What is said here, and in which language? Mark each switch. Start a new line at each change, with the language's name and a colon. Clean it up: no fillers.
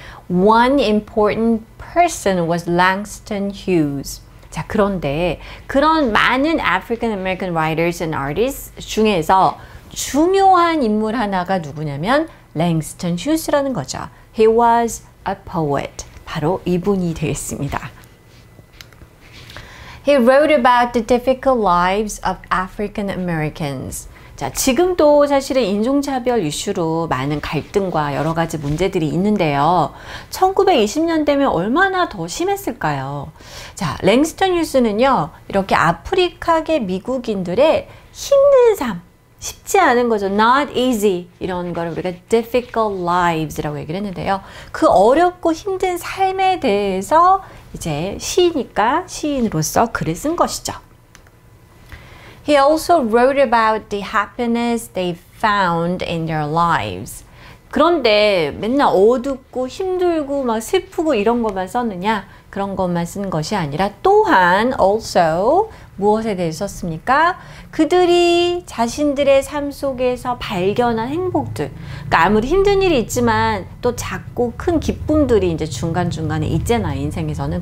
English: One important person was Langston Hughes.
Korean: 자, 그런데 그런 많은
English: African American writers and artists
Korean: 중에서 중요한 인물 하나가 누구냐면 랭스턴 휴스라는 거죠.
English: He was a poet.
Korean: 바로 이분이 되겠습니다.
English: He wrote about the difficult lives of African Americans.
Korean: 자, 지금도 사실은 인종차별 이슈로 많은 갈등과 여러 가지 문제들이 있는데요. 1920년대면 얼마나 더 심했을까요? 자, 랭스턴 휴스는요, 이렇게 아프리카계 미국인들의 힘든 삶, 쉽지 않은 거죠.
English: Not easy.
Korean: 이런 걸 우리가
English: difficult lives
Korean: 라고 얘기를 했는데요. 그 어렵고 힘든 삶에 대해서 이제 시인이니까 시인으로서 글을 쓴 것이죠.
English: He also wrote about the happiness they found in their lives.
Korean: 그런데 맨날 어둡고 힘들고 막 슬프고 이런 것만 썼느냐? 그런 것만 쓴 것이 아니라 또한 also 무엇에 대해 썼습니까? 그들이 자신들의 삶 속에서 발견한 행복들. 그러니까 아무리 힘든 일이 있지만 또 작고 큰 기쁨들이 이제 중간중간에 있잖아, 인생에서는.